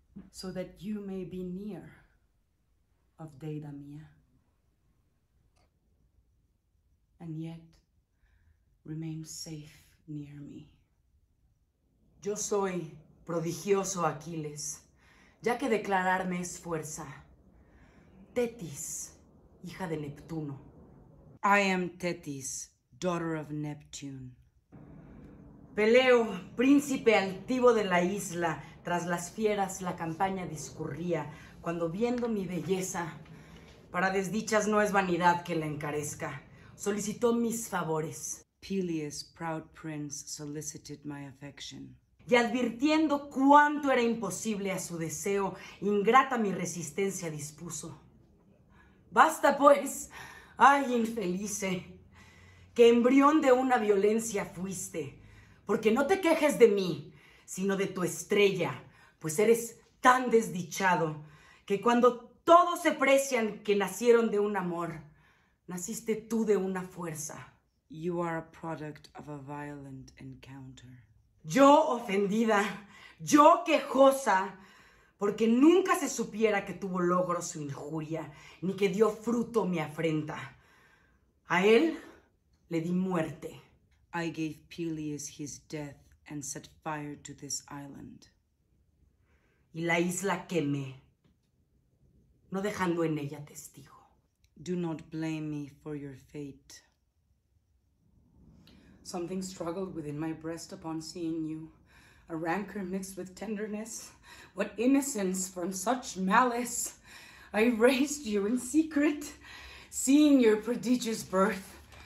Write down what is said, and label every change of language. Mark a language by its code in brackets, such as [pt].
[en] So that you may be near of Deidamia. And yet remain safe near me. [es] Yo soy prodigioso Aquiles, ya que declararme es fuerza. Thetis, hija de Neptuno. [en] I am Thetis, daughter of Neptune. [es] Peleo, príncipe altivo de la isla, tras las fieras la campaña discurría, cuando viendo mi belleza, para desdichas no es vanidad que la encarezca, solicitó mis favores. [en] Peleus, proud prince, solicited my affection. [es] Y advirtiendo cuánto era imposible a su deseo, ingrata mi resistencia dispuso. Basta pues, ay infelice, que embrión de una violencia fuiste, porque no te quejes de mí, sino de tu estrella, pues eres tan desdichado, que cuando todos se precian que nacieron de un amor, naciste tú de una fuerza. [en] You are a product of a violent encounter. [es] Yo ofendida, yo quejosa, porque nunca se supiera que tuvo logro su injuria, ni que dio fruto mi afrenta. A él le di muerte. [en] I gave Peleus his death and set fire to this island. [es] Y la isla quemé, no dejando en ella testigo. [en] Do not blame me for your fate. Something struggled within my breast upon seeing you. A rancor mixed with tenderness. What innocence from such malice. I raised you in secret, seeing your prodigious birth.